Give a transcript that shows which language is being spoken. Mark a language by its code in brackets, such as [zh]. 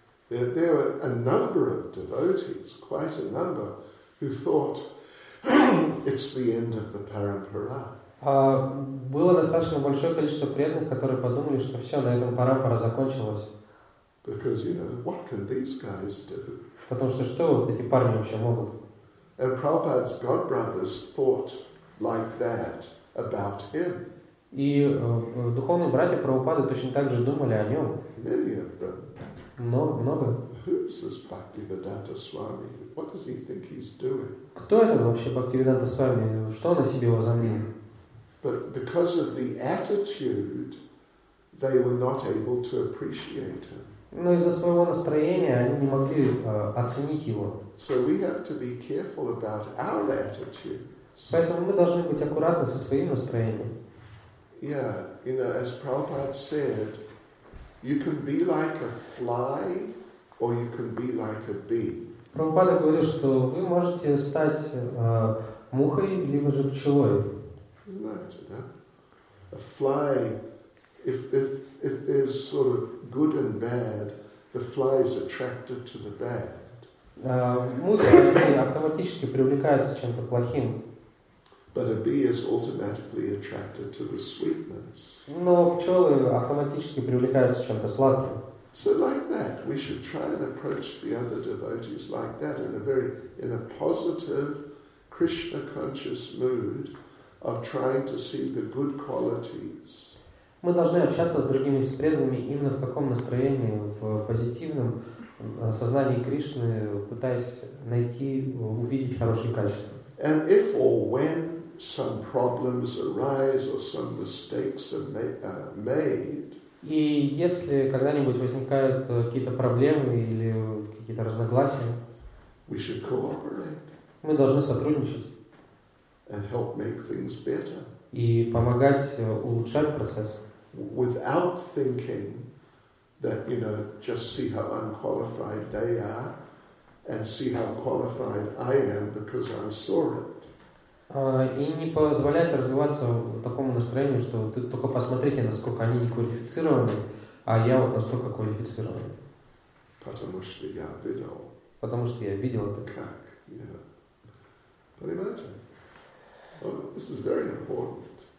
[en] there were a number of devotees, quite a number, who thought it's the end of the parampara. [ru] Было достаточно большое количество преданных, которые подумали, что все, на этом парампара закончилось. [en] Because, you know, what can these guys do? [ru] Потому что что вот эти парни вообще могут? [en] And Prabhupada's godbrothers thought like that about him. [ru] И духовные братья Прабхупады точно так же думали о нем. [en] Many of them. [ru] Много. [en] Who's this Bhaktivedanta Swami? What does he think he's doing? [ru] Кто это вообще Бхактивиданта Свами? Что он о себе возомнил? [en] But because of the attitude, they were not able to appreciate him. [ru] Но из-за своего настроения они не могли оценить его. [en] So we have to be careful about our attitudes. [ru] Поэтому мы должны быть аккуратны со своим настроением. [en] Yeah, you know, as Prabhupada said, you can be like a fly or you can be like a bee. [ru] Прабхупада говорил, что вы можете стать мухой либо же пчелой. [en] A fly, if there's sort of good and bad, the fly is attracted to the bad. [ru] Муха автоматически привлекается чем-то плохим. [en] But a bee is automatically attracted to the sweetness. [ru] Но пчелы автоматически привлекаются чем-то сладким. [en] So like that, we should try and approach the other devotees like that in a positive, Krishna conscious mood. Of trying to see the good qualities. [ru] Мы должны общаться с другими преданными именно в таком настроении, в позитивном сознании Кришны, пытаясь найти, увидеть хорошие качества. [en] And if or when some problems arise or some mistakes are made. [ru] И если когда-нибудь возникают какие-то проблемы или какие-то разногласия. [en] We should cooperate. [ru] Мы должны сотрудничать. [en] And help make things better. [ru] И помогать улучшать процесс. [en] Without thinking that, you know, just see how unqualified they are, and see how qualified I am because I saw it. [ru] И не позволять развиваться в таком настроении, что ты только посмотрите, насколько они не квалифицированы, а я вот настолько квалифицирован. Потому что я видел. Потому что я видел это. Как? Понимаете? [en] Oh, this is very important.